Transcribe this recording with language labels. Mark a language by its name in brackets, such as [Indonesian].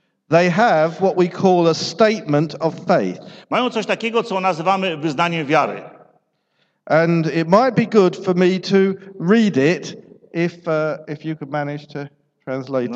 [English] they have what we call a statement of faith. [Polish] Mają coś takiego, co nazywamy wyznaniem wiary. [English] And it might be good for me to read it if you could manage to translate it.